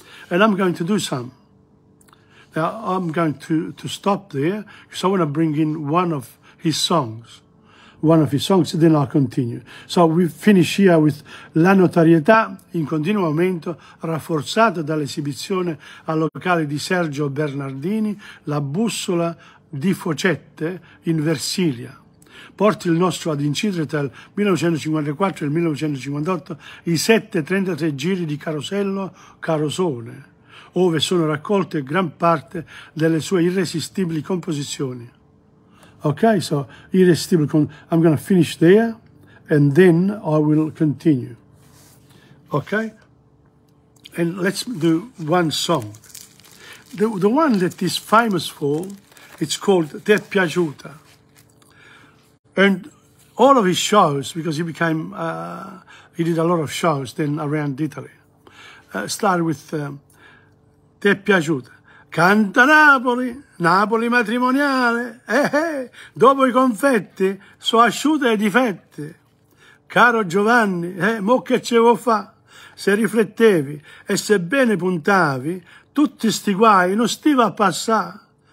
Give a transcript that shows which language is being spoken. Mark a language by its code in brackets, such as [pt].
[en] And I'm going to do some. Now, I'm going to stop there, because I want to bring in one of his songs, then I'll continue. So we finish here with [it] La notorietà in continuo aumento, rafforzata dall'esibizione al locale di Sergio Bernardini, La Bussola di Focette, in Versilia. Porti il nostro ad incidere tra il 1954 e il 1958 i 7-33 giri di Carosello Carosone, ove sono raccolte gran parte delle sue irresistibili composizioni. [en] Okay, so irresistible. I'm going to finish there, and then I will continue. Okay, and let's do one song. The one that is famous for, it's called Ti è piaciuta. And all of his shows, because he became, he did a lot of shows then around Italy, started with Ti è piaciuta. [nap] Canta Napoli, Napoli matrimoniale, dopo i confetti, so asciute le difette. Caro Giovanni, mo che ce vo fa? Se riflettevi e sebbene puntavi, tutti sti guai non stiva a passà.